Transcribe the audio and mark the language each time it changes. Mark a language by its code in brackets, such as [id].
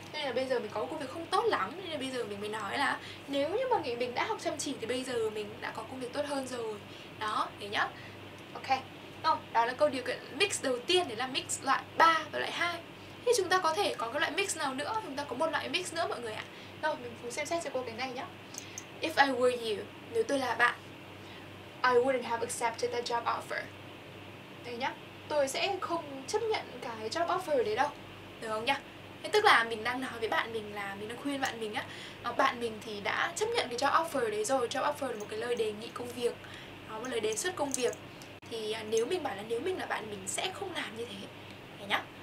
[vi] Nên là bây giờ mình có công việc không tốt lắm nên là bây giờ mình mới nói là nếu như mà mình đã học chăm chỉ thì bây giờ mình đã có công việc tốt hơn rồi. Đó, thế nhá. Ok. Không, đó là câu điều kiện mix đầu tiên, đấy là mix loại 3 và loại 2. Thì chúng ta có thể có cái loại mix nào nữa? Chúng ta có một loại mix nữa mọi người ạ. Rồi, mình cùng xem xét cho cô cái này nhá. [en] If I were you, [vi] nếu tôi là bạn, [en] I wouldn't have accepted that job offer. [vi] Đấy nhá, tôi sẽ không chấp nhận cái job offer đấy đâu. Được không nhá? Thế tức là mình đang nói với bạn mình là mình đang khuyên bạn mình á. Bạn mình thì đã chấp nhận cái job offer đấy rồi. Job offer là một cái lời đề nghị công việc, một lời đề xuất công việc. Thì nếu mình bảo là nếu mình là bạn, mình sẽ không làm như thế. Đấy nhá.